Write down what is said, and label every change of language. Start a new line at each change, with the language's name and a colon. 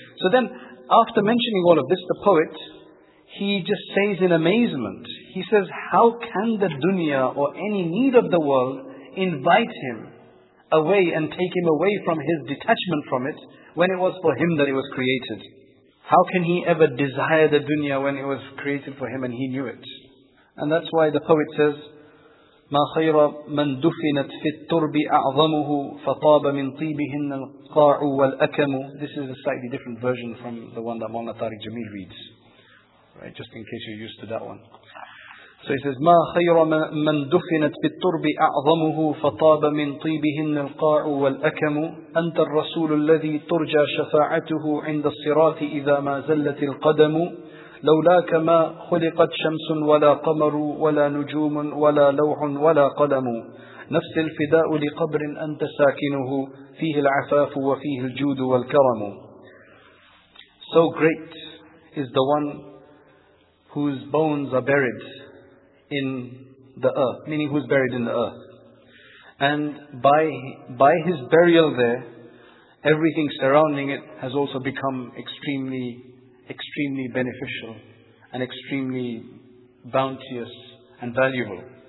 English: So then, after mentioning all of this, the poet, he just says in amazement, he says, how can the dunya or any need of the world invite him away and take him away from his detachment from it when it was for him that it was created? How can he ever desire the dunya when it was created for him and he knew it? And that's why the poet says,
Arabic: مَا خَيْرَ مَنْ دُفِنَتْ فِي التُّرْبِ أَعْظَمُهُ فَطَابَ مِنْ طِيبِهِنَّ الْقَاعُ وَالْأَكَمُ.
English: This is a slightly different version from the one that Mawlana Tariq Jameel reads. Right, just in case you're used to that one. So he says,
Arabic: مَا خَيْرَ مَنْ دُفِنَتْ فِي التُّرْبِ أَعْظَمُهُ فَطَابَ مِنْ طِيبِهِنَّ الْقَاعُ وَالْأَكَمُ أَنْتَ الرَّسُولُ الَّذِي تُرْجَى شَفَاعَتُهُ عِنْدَ الصِّرَاطِ إِذَا مَا زَلَّتِ الْقَدَمُ. لولاك ما خلقت شمس ولا قمر ولا نجوم ولا لوح ولا قلم نفس الفداء لقبر أنت ساكنه فيه العفاف وفيه الجود والكرم.
English: So great is the one whose bones are buried in the earth, meaning who's buried in the earth. And by his burial there, everything surrounding it has also become extremely, extremely beneficial and extremely bounteous and valuable.